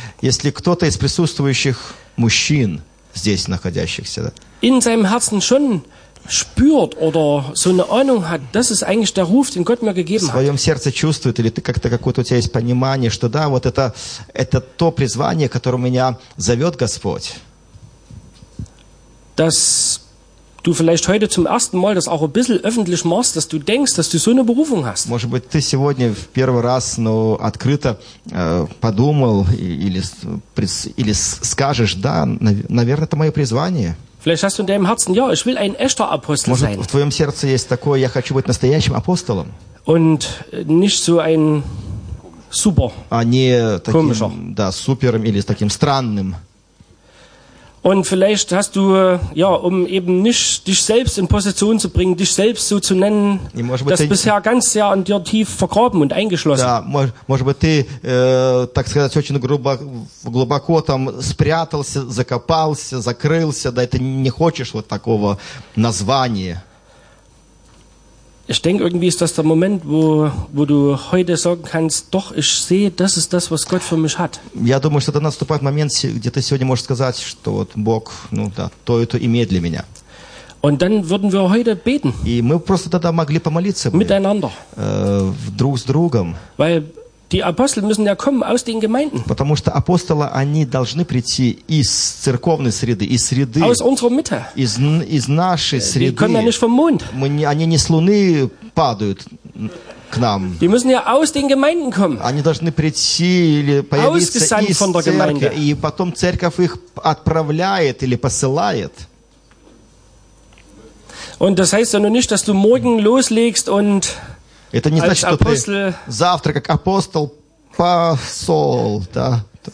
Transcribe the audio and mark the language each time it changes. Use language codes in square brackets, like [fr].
[ru] если кто-то из присутствующих мужчин здесь находящихся, [de] in seinem Herzen schon spürt oder so eine Ahnung hat, das ist eigentlich der Ruf, den Gott mir gegeben hat. [ru] В своем сердце чувствует или ты как-то какое-то у тебя есть понимание, что да, вот это то призвание, которое меня зовет Господь. [de] Dass du vielleicht heute zum ersten Mal das auch ein bisschen öffentlich machst, dass du denkst, dass du so eine Berufung hast. [ru] Может быть, ты сегодня в первый раз, ну, открыто подумал или скажешь, да, наверное, это мое призвание. [de] Vielleicht hast du in deinem Herzen, ja, ich will ein echter Apostel [ru] Может, [de] sein. [ru] В твоем сердце есть такое, я хочу быть настоящим апостолом. [de] Und nicht so ein super, [ru] а не таким, [de] komischer. [ru] Да, супером или таким странным. [de] Und vielleicht hast du, ja, um eben nicht dich selbst in Position zu bringen, dich selbst so zu nennen, das bisher ganz sehr an dir tief vergraben und eingeschlossen. [ru] Да, может быть, ты, так сказать, очень глубоко там спрятался, закопался, закрылся, да, ты не хочешь вот такого названия. [de] Ich denke, irgendwie ist das der Moment, wo du heute sagen kannst, doch, ich sehe, das ist das, was Gott für mich hat. [ru] Я думаю, что это наступает момент, где ты сегодня можешь сказать, что вот Бог, ну да, то это имеет для меня. [de] Und dann würden wir heute beten. [ru] И мы просто тогда могли помолиться бы. [de] Miteinander. [ru] Друг с другом. [de] Weil die Apostel müssen ja kommen aus den Gemeinden. [ru] Потому что апостолы, они должны прийти из церковной среды, из среды. [de] Aus unserer Mitte. [ru] Из нашей среды. [de] Die kommen ja nicht vom Mond. [ru] Они не с Луны падают к нам. [de] Die müssen ja aus den Gemeinden kommen. [ru] Они должны прийти или появиться из церкви. И потом церковь их отправляет или посылает. [de] Und das heißt ja noch nicht, dass du morgen loslegst und... [ru] Это не значит, что ты завтра как апостол посол, да?